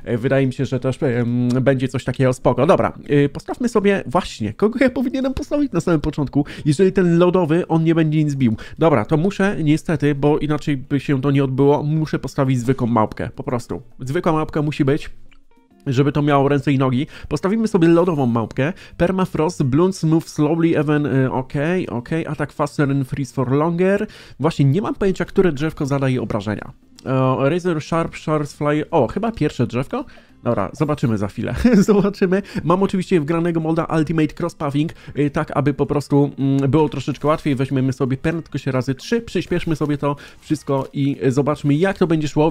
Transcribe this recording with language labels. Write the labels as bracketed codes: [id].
[pl] Wydaje mi się, że też będzie coś takiego spoko. Dobra, postawmy sobie właśnie, kogo ja powinienem postawić na samym początku, jeżeli ten lodowy, on nie będzie nic bił. Dobra, to muszę niestety, bo inaczej by się to nie odbyło, muszę postawić zwykłą małpkę, po prostu. Zwykła małpka musi być. Żeby to miało ręce i nogi. Postawimy sobie lodową małpkę. [en] Permafrost, blunts move slowly even... Okej. Attack faster and freeze for longer. [pl] Właśnie nie mam pojęcia, które drzewko zadaje obrażenia. [en] Razor, sharp, shards, fly... [pl] O, chyba pierwsze drzewko? Dobra, zobaczymy za chwilę. Zobaczymy. Mam oczywiście wgranego molda Ultimate Cross Puffing, tak aby po prostu było troszeczkę łatwiej. Weźmiemy sobie prędkość razy 3, przyspieszmy sobie to wszystko i zobaczmy, jak to będzie szło.